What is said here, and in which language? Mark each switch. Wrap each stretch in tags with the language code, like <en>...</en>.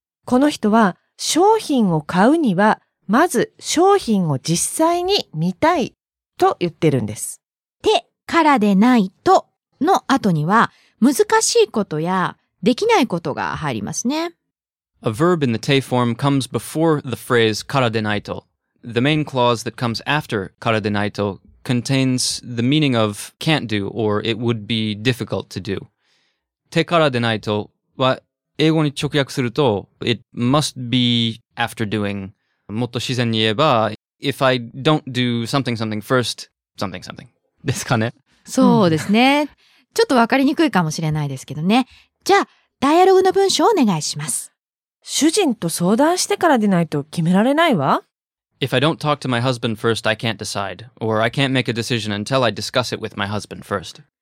<ja>この人は商品を買うにはまず商品を実際に見たいと言ってるんです。手からでないとの後には難しいことやできないことが入りますね。</ja> <en>A verb in the te form comes before the phrase からでないと. The main clause that comes after からでないと contains the meaning of can't do or it would be difficult to do.</en> <ja>手からでないとは英語に直訳すると</ja> <en>it must be after doing.</en> <ja>もっと自然に言えば</ja> <en>if I don't do something something first, something something.</en> <ja>ですかね。そうですね。ちょっとわかりにくいかもしれないですけどね。じゃあ、ダイアログの文章をお願いします。主人と相談してからでないと決められないわ。</ja> <en>If I don't talk to my husband first, I can't decide. Or I can't make a decision until I discuss it with my husband first.</en>